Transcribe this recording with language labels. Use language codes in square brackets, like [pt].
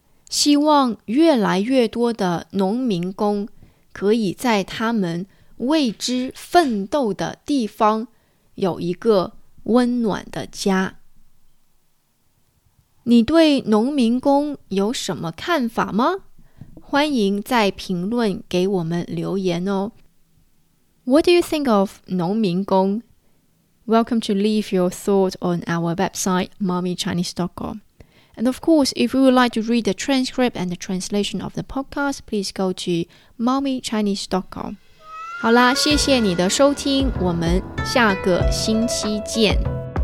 [zh] 希望越来越多的农民工可以在他们为之奋斗的地方有一个温暖的家。你对农民工有什么看法吗？欢迎在评论给我们留言哦。 [en] What do you think of 农民工？ Welcome to leave your thought on our website, mommychinese.com. And of course, if you would like to read the transcript and the translation of the podcast, please go to mommychinese.com. [zh] 好啦，谢谢你的收听，我们下个星期见。